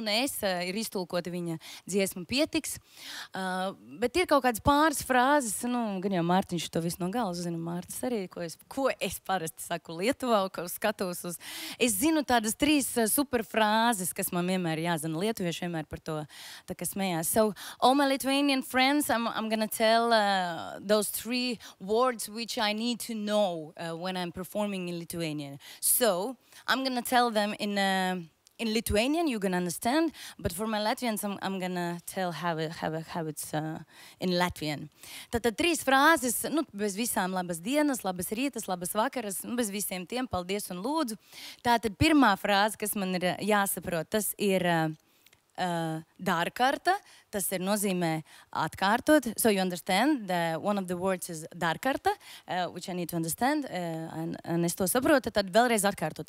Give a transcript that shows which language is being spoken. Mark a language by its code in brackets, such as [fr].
[lv] Nu, ne es, ir iztulkota viņa dziesma Pietiks. Bet ir kaut kādas pāris frāzes. Nu, gan jau Mārtiņš to visu no galas zina. Mārtis arī, ko es parasti saku Lietuvā, ko skatos uz. Es zinu tādas trīs super frāzes, kas man vienmēr jāzina Lietuvā. Lietuviešu vienmēr par to tā kā smējās. [en] So, all my Lithuanian friends, I'm gonna tell those three words which I need to know when I'm performing in Lithuanian. So, I'm gonna tell them in Lithuanian, you're gonna understand, but for my Latvians, I'm gonna tell how it's in Latvian. [lv] Tātad trīs frāzes, nu, bez visām labas dienas, labas rītas, labas vakaras, nu, bez visiem tiem, paldies un lūdzu. Tātad pirmā frāze, kas man ir jāsaprot, tas ir dārkārta, tas ir nozīmē atkārtot. [en] So you understand that one of the words is dārkārta, which I need to understand, and [lv] es to saprotu, tad vēlreiz atkārtot.